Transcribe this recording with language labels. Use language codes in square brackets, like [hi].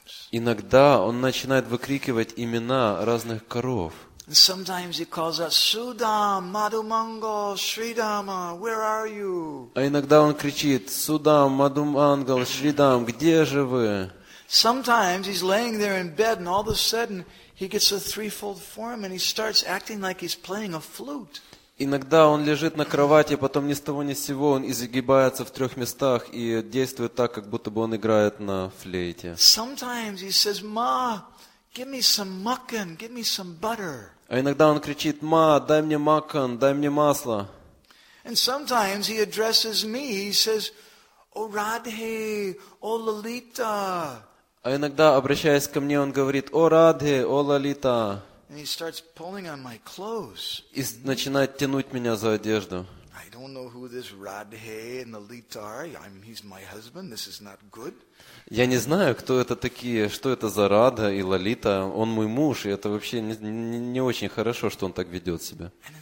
[ru] Иногда он начинает выкрикивать имена разных коров. [en] And sometimes he calls out, Sudam, Madhumangal, Shridama, where are you? [ru] А иногда он кричит, Sudam, Madhumangal, Shridam, где же вы? [en] Sometimes he's laying there in bed and all of a sudden he gets a threefold form and he starts acting like he's playing a flute. [ru] Иногда он лежит на кровати, потом ни с того ни с сего он изгибается в трех местах и действует так, как будто бы он играет на флейте. [en] Sometimes he says, Ma, give me some makkhan, give me some butter. [ru] А иногда он кричит, Ма, дай мне макан, дай мне масло. [en] And sometimes he addresses me, he says, O Radhe, O Lalita. [ru] А иногда, обращаясь ко мне, он говорит, О Радхе, О Лалита. [en] And he starts pulling on my clothes. [ru] И начинает тянуть меня за одежду. [en] I don't know who this Radhe and Lalita are. He's my husband, this is not good. [ru] Я не знаю, кто это такие, что это за Рада и Лолита. Он мой муж, и это вообще не очень хорошо, что он так ведет себя.